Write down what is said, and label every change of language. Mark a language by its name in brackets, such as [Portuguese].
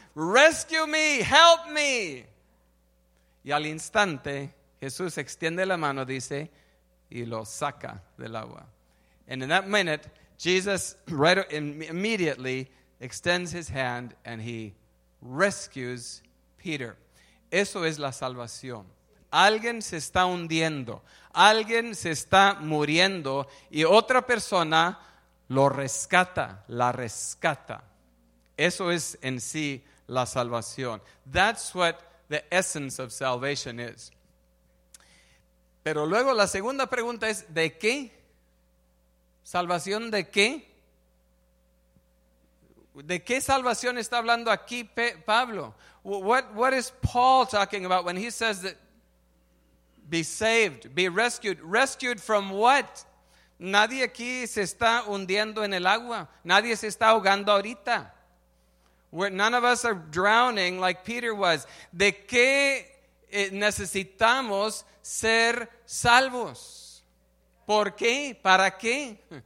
[English] Rescue me, help me. [Spanish] Y al instante, Jesús extiende la mano, dice, y lo saca del agua. [English] And in that minute, Jesus right immediately extends his hand and he rescues Peter. [Spanish] Eso es la salvación. Alguien se está hundiendo. Alguien se está muriendo y otra persona lo rescata, la rescata. Eso es en sí la salvación. [English] That's what the essence of salvation is. [Spanish] Pero luego la segunda pregunta es, ¿de qué? ¿Salvación de qué? ¿De qué salvación está hablando aquí Pablo? [English] What is Paul talking about when he says that be saved, be rescued? Rescued from what? [Spanish] Nadie aquí se está hundiendo en el agua. Nadie se está ahogando ahorita. [English] None of us are drowning like Peter was. [Spanish] ¿De qué necesitamos ser salvos? ¿Por qué? ¿Para qué?